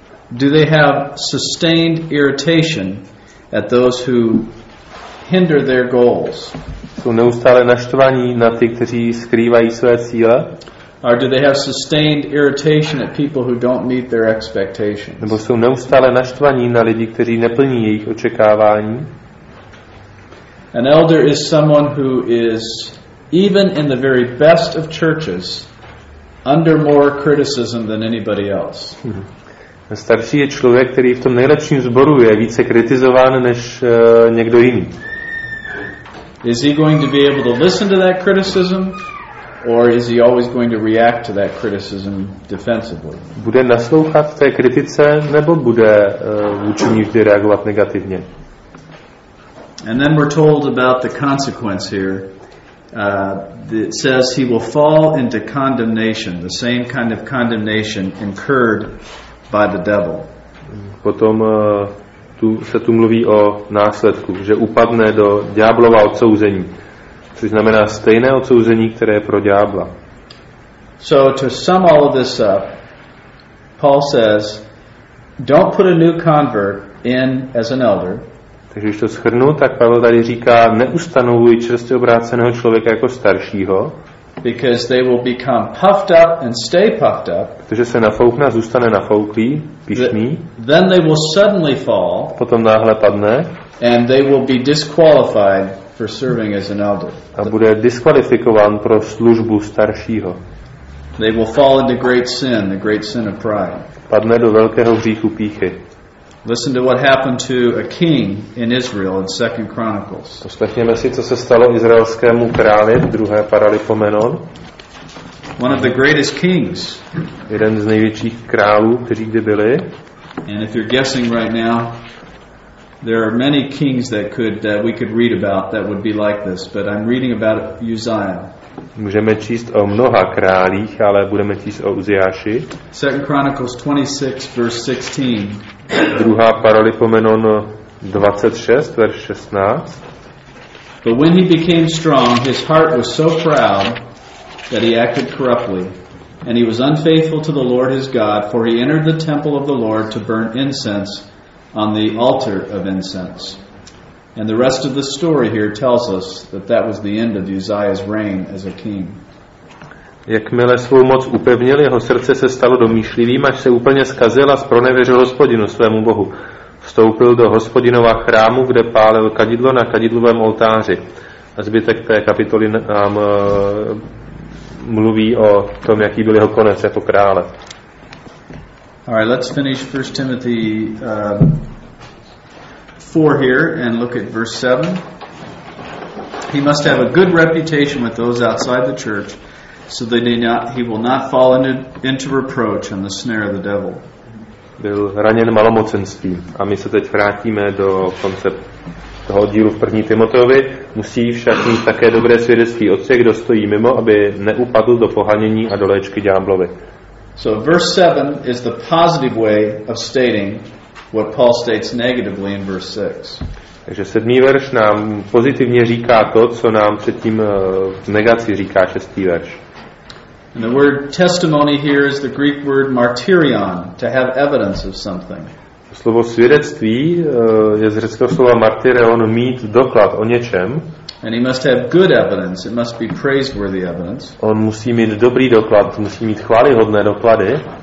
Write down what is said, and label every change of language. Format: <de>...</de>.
<en>Do they have sustained irritation at those who hinder their goals?</en> <cs>Jsou neustále naštvaní na ty, kteří skrývají své cíle?</cs> <en>Or do they have sustained irritation at people who don't meet their expectations?</en> <cs>Nebo jsou neustále naštvaní na lidi, kteří neplní jejich očekávání?</cs> <en>An elder is someone who is, even in the very best of churches, under more criticism than anybody else.</en> <cs>Starší je člověk, který v tom nejlepším sboru je více kritizován než někdo jiný.</cs> <en>Is he going to be able to listen to that criticism, or is he always going to react to that criticism defensively?</en> <cs>Bude naslouchat té kritice, nebo bude vůči ní vždy reagovat negativně?</cs> <en>And then we're told about the consequence here. It says he will fall into condemnation, the same kind of condemnation incurred by the devil.</en> <cs>Potom tu se tu mluví o následku, že upadne do ďáblova odsouzení, což znamená stejné odsouzení, které je pro ďábla.</cs> <en>So to sum all of this up, Paul says, don't put a new convert in as an elder.</en> <cs>Takže když to shrnu, tak Pavel tady říká, neustanovuj čerstvě obráceného člověka jako staršího.</cs> <en>Because they will become puffed up and stay puffed up.</en> <cs>Protože se nafoukne a zůstane nafouklý, pyšný.</cs> <en>Then they will suddenly fall.</en> <cs>Potom náhle padne.</cs> <en>And they will be disqualified for serving as an elder.</en> <cs>A bude diskvalifikován pro službu staršího.</cs> <en>They will fall into great sin, the great sin of pride.</en> <cs>Padne do velkého hříchu pýchy.</cs> <en>Listen to what happened to a king in Israel in 2 Chronicles.</en> <cs>Poslechněme si, co se stalo izraelskému králi, druhé Paralipomenon.</cs> <en>One of the greatest kings.</en> <cs>Jeden z největších králů, kteří kdy byli.</cs> <en>And if you're guessing right now, there are many kings that we could read about that would be like this, but I'm reading about Uzziah.</en> <cs>Můžeme číst o mnoha králích, ale budeme číst o Uzziáši.</cs> <en>2 Chronicles 26 verse 16.</en> <cs>Druhá Paralipomenon 26 verš 16.</cs> <en>But when he became strong, his heart was so proud that he acted corruptly, and he was unfaithful to the Lord his God, for he entered the temple of the Lord to burn incense on the altar of incense. And the rest of the story here tells us that that was the end of Uzziah's reign as a king.</en> <cs>Jakmile svou moc upevnil, jeho srdce se stalo domýšlivým, až se úplně zkazil a zpronevěřil Hospodinu svému Bohu. Vstoupil do Hospodinova chrámu, kde pálil kadidlo na kadidlovém oltáři. A zbytek té kapitoly nám mluví o tom, jaký byl jeho konec jako krále.</cs> <en>All right, let's finish 1 Timothy 4 here and look at verse 7. He must have a good reputation with those outside the church, so that he will not fall into reproach on the snare of the devil.</en> <cs>Byl raněn malomocenstvím. A my se teď vrátíme do konceptu toho dílu v 1. Timoteovi. Musí však mít také dobré svědectví od těch, kdo stojí mimo, aby neupadl do pohanění a do léčky ďáblovy.</cs> <en>So verse 7 is the positive way of stating what Paul states negatively in verse 6.</en> <cs>Takže sedmý verš nám pozitivně říká to, co nám předtím v negaci říká šestý verš.</cs> <en>And the word testimony here is the Greek word martyrion, to have evidence of something.</en> <cs>Slovo svědectví je z řeckého slova martyrion, mít doklad o něčem.</cs> <en>And he must have good evidence, it must be praiseworthy evidence.</en> <cs>On musí mít dobrý doklad, musí mít chvályhodné doklady.</cs>